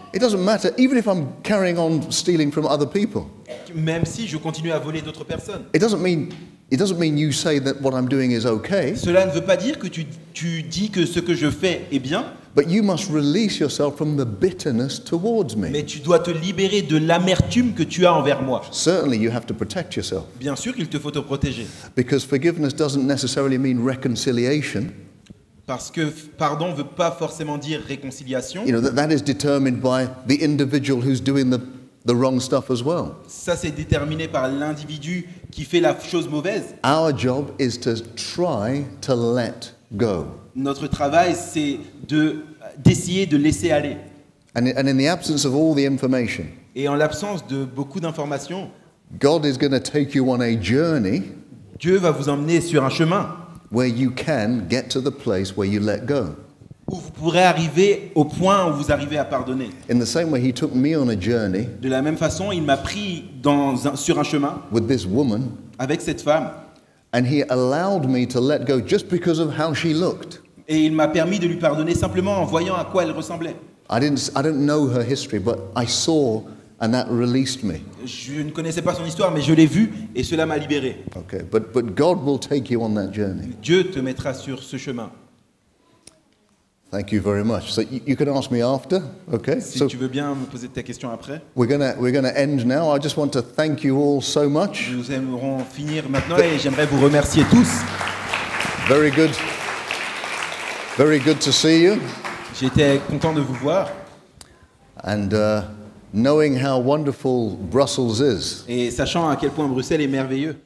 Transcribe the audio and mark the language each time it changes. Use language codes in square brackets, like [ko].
[en] It doesn't matter, even if I'm carrying on stealing from other people. [fr] Même si je continue à voler d'autres personnes. [en] It doesn't mean you say that what I'm doing is okay. [fr] Cela ne veut pas dire que tu dis que ce que je fais est bien. [en] But you must release yourself from the bitterness towards me. [fr] Mais tu dois te libérer de l'amertume que tu as envers moi. [en] Certainly you have to protect yourself. [fr] Bien sûr qu'il te faut te protéger. [en] Because forgiveness doesn't necessarily mean reconciliation. [fr] Parce que pardon veut pas forcément dire réconciliation. [en] You know, that is determined by the individual who's doing the wrong stuff as well. [fr] Ça c'est déterminé par l'individu qui fait la chose mauvaise. [en] Our job is to try to let go. [fr] Notre travail c'est d'essayer de laisser aller. [en] And in the absence of all the information. [fr] Et en l'absence de beaucoup d'informations. [en] God is going to take you on a journey. [fr] Dieu va vous emmener sur un chemin. [en] Where you can get to the place where you let go. [fr] Où vous pourrez arriver au point où vous arrivez à pardonner. [en] In the same way he took me on a journey. [fr] De la même façon, il m'a pris sur un chemin. [en] With this woman. [fr] Avec cette femme. [en] And he allowed me to let go just because of how she looked. [fr] Et il m'a permis de lui pardonner simplement en voyant à quoi elle ressemblait. [en] I don't know her history, but I saw and that released me. [fr] Je ne connaissais pas son histoire, mais je l'ai vue et cela m'a libéré. [en] Okay, but God will take you on that journey. [fr] Dieu te mettra sur ce chemin. [en] Thank you very much. So you can ask me after, okay? [fr] Si tu veux bien me poser ta question après. [en] We're gonna end now. I just want to thank you all so much. [fr] Nous aimerons finir maintenant et j'aimerais vous remercier tous. [en] Very good. Very good to see you. [fr] J'étais content de vous voir. [en] And knowing how wonderful Brussels is. [fr] Et sachant à quel point Bruxelles est merveilleux.